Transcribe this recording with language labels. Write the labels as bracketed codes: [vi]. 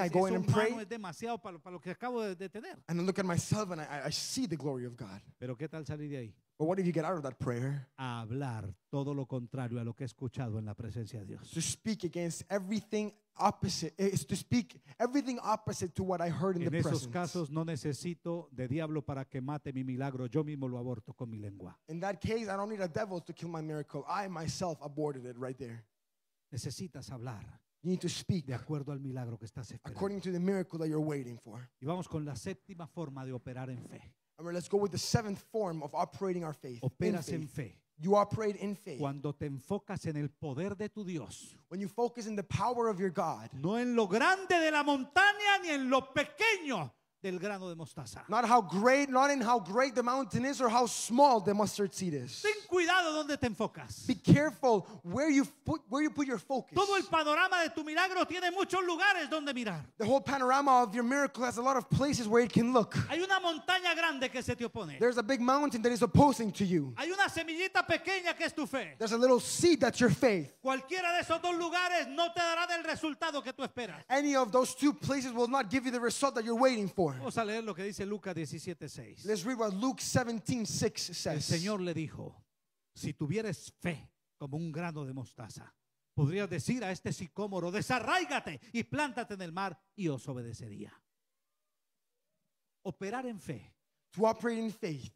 [en] I go in and pray, and I look at myself and I see the glory of God. But what if you get out of that prayer? To speak against everything opposite is to speak everything opposite to what I heard in the presence. [es] En esos casos no necesito de diablo para que mate mi milagro, yo mismo lo aborto con mi lengua. [en] In that case I don't need a devil to kill my miracle, I myself aborted it right there. [es] Necesitas hablar. [en] You need to speak [es] de acuerdo al milagro que estás esperando. [en] According to the miracle that you're waiting for. [es] Y vamos con la séptima forma de operar en fe. [en] Let's go with the seventh form of operating our faith. [es] Operas en fe. [en] You are prayed in faith. [es] Cuando te enfocas en el poder de tu Dios. [en] When you focus in the power of your God. [es] No en lo grande de la montaña ni en lo pequeño del grano de mostaza. [en] Not in how great the mountain is or how small the mustard seed is. [es] Ten cuidado donde te enfocas. [en] Be careful where you put your focus. [es] Todo el panorama de tu milagro tiene muchos lugares donde mirar. [en] The whole panorama of your miracle has a lot of places where it can look. [es] Hay una montaña grande que se te opone. [en] There's a big mountain that is opposing to you. [es] Hay una semillita pequeña que es tu fe. [en] There's a little seed that's your faith. [es] Cualquiera de esos dos lugares no te dará del resultado que tú esperas. [en] Any of those two places will not give you the result that you're waiting for. [es] Vamos a leer lo que dice Lucas 17:6. [en] Let's read what Luke 17:6 says. [es] El Señor le dijo: si tuvieres fe como un grano de mostaza, podrías decir a este sicómoro: desarráigate y plántate en el mar, y os obedecería. Operar en fe. [en] To operate in faith.